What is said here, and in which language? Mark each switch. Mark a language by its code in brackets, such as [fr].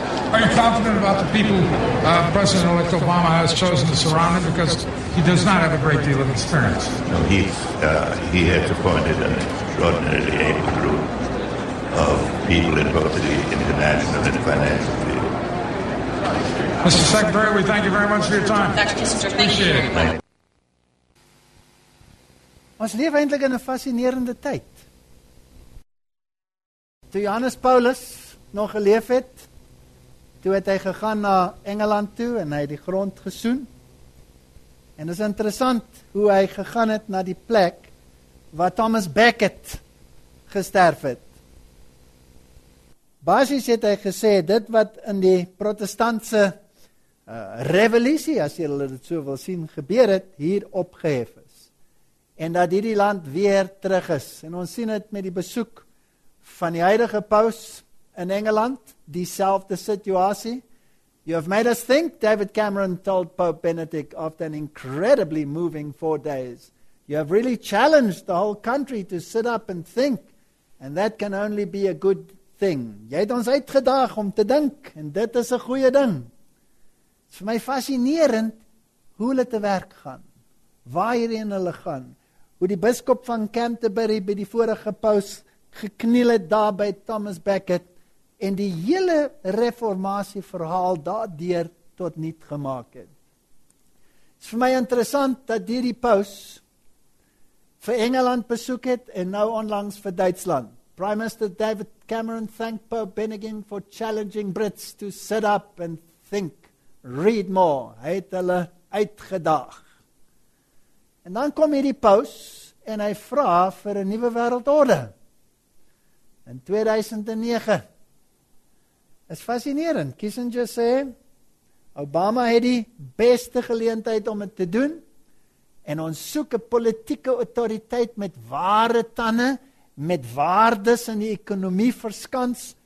[en] Are you confident about the people President-elect Obama has chosen to surround him because he does not have a great deal of experience? No, he has appointed an extraordinarily able group of people in both the international and financial field. Mr. Secretary, we thank you very much for your time. Appreciate it. [af] Ons leef eintlik in 'n fascinerende tyd. Toe Johannes Paulus nog geleef het, toe het hy gegaan na Engeland toe en hy het die grond gesoen. En dit is interessant hoe hy gegaan het na die plek waar Thomas Becket gesterf het. Basies het hy gesê, dit wat in die protestantse revolusie, as julle dit so wil sien, gebeur het, hier opgehef is. En dat hierdie land weer terug is. En ons sien het met die besoek van die huidige paus in Engeland, dieselfde situasie. [en] You have made us think, David Cameron told Pope Benedict after an incredibly moving 4 days. You have really challenged the whole country to sit up and think, and that can only be a good thing. [af] Jy het ons uitgedaag om te dink, en dit is 'n goeie ding. Het is vir my fascinerend hoe hulle te werk gaan, waar hierheen hulle gaan, hoe die biskop van Canterbury by die vorige paus gekniel het daar by Thomas Becket en die hele reformatie verhaal daardeur tot niet gemaak het. Het is vir my interessant dat hierdie paus vir Engeland besoek het en nou onlangs vir Duitsland. [en] Prime Minister David Cameron thanked Pope Benedict for challenging Brits to sit up and think. Read more, [af] hy het hulle uitgedaag. En dan kom hierdie paus en hy vra vir 'n nuwe wêreldorde. In 2009. Is fascinerend. Kissinger sê, Obama het die beste geleentheid om het te doen en ons soek 'n politieke autoriteit met ware tande, met waardes in die ekonomie verskans.